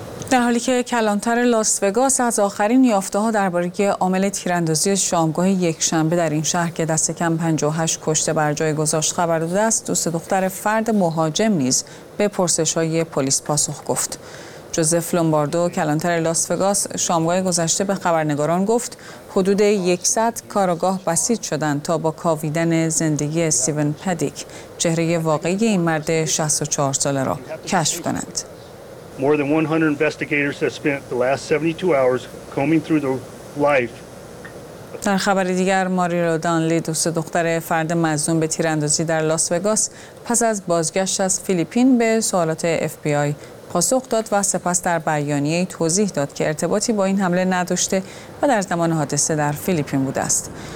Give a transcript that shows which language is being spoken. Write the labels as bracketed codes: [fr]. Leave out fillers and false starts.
[fa] در حالی که کلانتر لاس وگاس از آخرین یافته‌ها درباره عامل تیراندازی شامگاه یک شنبه در این شهر که دست کم 58 کشته بر جای گذاشت خبر داده است، دوست دختر فرد مهاجم نیز به پرسش‌های پلیس پاسخ گفت. جوزف لومباردو کلانتر لاس وگاس شامگاه گذشته به خبرنگاران گفت حدود 100 کاراگاه بسیج شدند تا با کاویدن زندگی استیون پدیک چهره واقعی این مرد 64 ساله را کشف کنند. [en] More than 100 investigators have spent the last 72 hours combing through the life. [fa] در خبر دیگر، ماری رو دانلی، دوست دختر فرد مظنون به تیراندازی در لاس وگاس، پس از بازگشت از فیلیپین به سوالات FBI پاسخ داد و سپس در بیانیه توضیح داد که ارتباطی با این حمله نداشته و در زمان حادثه در فیلیپین بوده است.